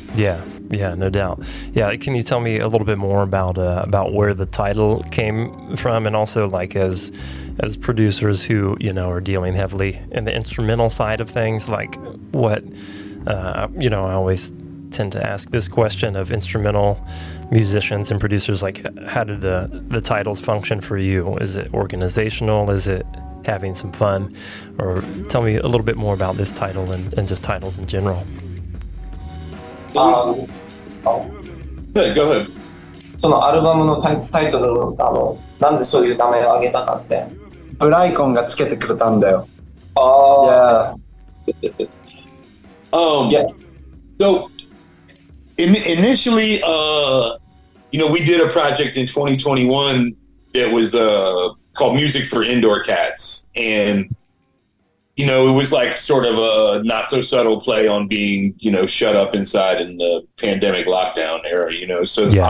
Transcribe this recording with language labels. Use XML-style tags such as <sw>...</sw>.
<en>yeah yeah no doubt yeah can you tell me a little bit more about where the title came from and also like as producers who you know are dealing heavily in the instrumental side of things like what you know I always tend to ask this question of instrumentalmusicians and producers like how did the titles function for you is it organizational is it having some fun or tell me a little bit more about this title and just titles in general go ahead</en> <ja>そのアルバムのタイトルあのなんでそういう名前をあげたかってブライコンがつけてくれたんだよああ、</ja> <en>yeah. yeah. so initially you know we did a project in 2021 that was called Music for Indoor Cats. And, you know, it was like sort of a not so subtle play on being, you know, shut up inside in the pandemic lockdown era, you know? So yeah.</en>